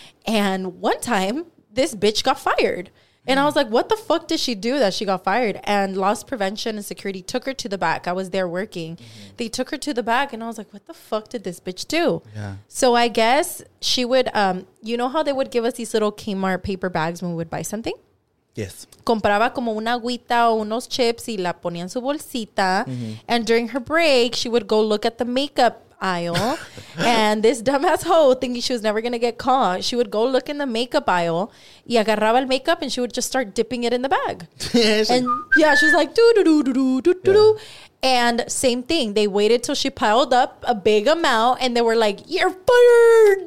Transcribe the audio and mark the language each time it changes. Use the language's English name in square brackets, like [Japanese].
[English] And one time, this bitch got fired. And I was like, what the fuck did she do that she got fired? And loss prevention and security took her to the back. I was there working. Mm-hmm. They took her to the back. And I was like, what the fuck did this bitch do? Yeah. So I guess she would, you know how they would give us these little Kmart paper bags when we would buy something? Yes. [Spanish] Compraba como una agüita o unos chips y la ponía en su bolsita. Mm-hmm. [English] And during her break, she would go look at the makeup aisle. And this dumbass hoe, thinking she was never gonna get caught, she would go look in the makeup aisle [Spanish] y agarraba el makeup [English] and she would just start dipping it in the bag. And yeah, she was like doo doo doo doo doo doo doo. And same thing, they waited till she piled up a big amount and they were like, you're fired.